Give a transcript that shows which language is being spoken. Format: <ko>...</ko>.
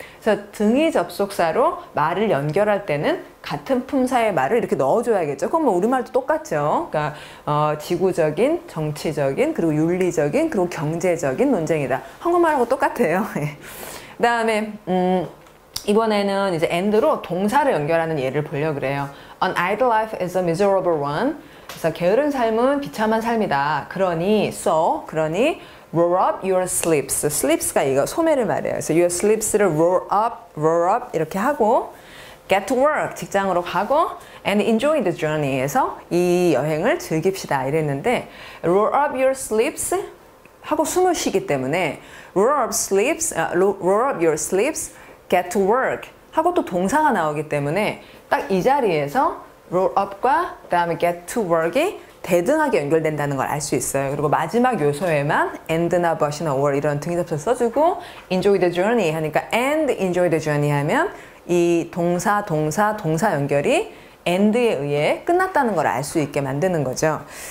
<ko>그래서 등이접속사로 말을 연결할 때는 같은 품사의 말을 이렇게 넣어줘야겠죠. 그건 뭐 우리말도 똑같죠. 그러니까 지구적인, 정치적인, 그리고 윤리적인, 그리고 경제적인 논쟁이다. 한국말하고 똑같아요. 그다음에 이번에는 이제 end로 동사를 연결하는 예를 보려고 그래요.</ko> <en>An idle life is a miserable one.</en> <ko>그래서 게으른 삶은 비참한 삶이다. 그러니, so, 그러니,</ko> <en>roll up your sleeves.</en> <ko>sleeves가 이거 소매를 말해요. 그래서</ko> <en>your sleeves</en> <ko>를</ko> <en>roll up</en> <ko>이렇게 하고,</ko> <en>get to work.</en> <ko>직장으로 가고,</ko> <en>and enjoy the journey</en> <ko>에서 이 여행을 즐깁시다. 이랬는데,</ko> <en>roll up your sleeves</en> <ko>하고 숨을 쉬기 때문에, roll up your sleeves.</ko> <en>get to work</en> <ko>하고 또 동사가 나오기 때문에 딱이 자리에서</ko> <en>roll up</en> <ko>과 그다음에 get to work이 대등하게 연결된다는 걸알수 있어요. 그리고 마지막 요소에만 end나 but이나 or 이런 등이접속 써주고</ko> <en>enjoy the journey</en> <ko>하니까</ko> <en>and enjoy the journey</en> <ko>하면 이 동사 연결이 end에 의해 끝났다는 걸알수 있게 만드는 거죠.</ko>